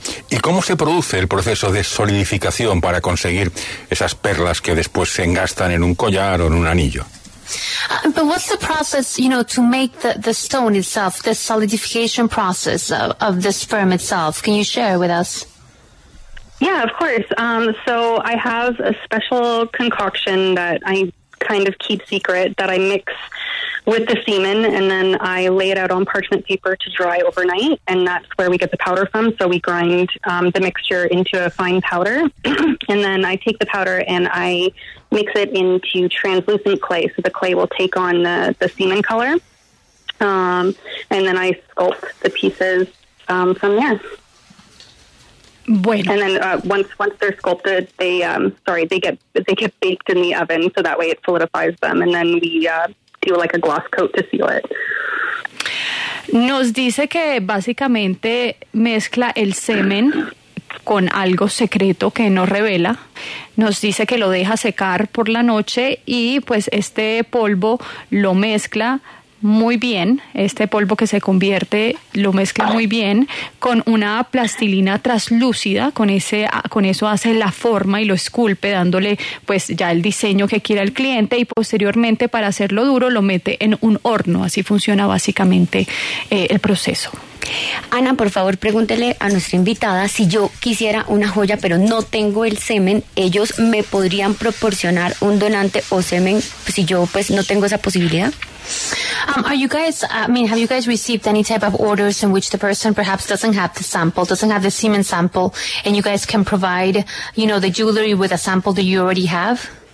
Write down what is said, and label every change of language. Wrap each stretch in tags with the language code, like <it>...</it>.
<es>¿Y cómo se produce el proceso de solidificación para conseguir esas perlas que después se engastan en un collar o en un anillo?</es> <en>But what's the process, you know, to make the stone itself, the solidification process of the sperm itself? Can you share with us? Yeah, of course. So I have a special concoction that I kind of keep secret that I mix with the semen, and then I lay it out on parchment paper to dry overnight, and that's where we get the powder from. So we grind the mixture into a fine powder, and then I take the powder and I mix it into translucent clay, so the clay will take on the semen color, and then I sculpt the pieces from there.</en> <es>Bueno.</es> <en>And then once they're sculpted, they get baked in the oven, so that way it solidifies them, and then we do like a gloss coat to seal it.</en> <es>Nos dice que básicamente mezcla el semen con algo secreto que no revela. Nos dice que lo deja secar por la noche y pues este polvo lo mezcla muy bien, este polvo que se convierte, lo mezcla muy bien con una plastilina traslúcida, con eso hace la forma y lo esculpe, dándole pues ya el diseño que quiera el cliente, y posteriormente, para hacerlo duro, lo mete en un horno. Así funciona básicamente el proceso. Ana, por favor, pregúntele a nuestra invitada, si yo quisiera una joya pero no tengo el semen, ¿ellos me podrían proporcionar un donante o semen si yo pues no tengo esa posibilidad?</es> <en>Have you guys received any type of orders in which the person perhaps doesn't have the semen sample, and you guys can provide, you know, the jewelry with a sample that you already have?</en>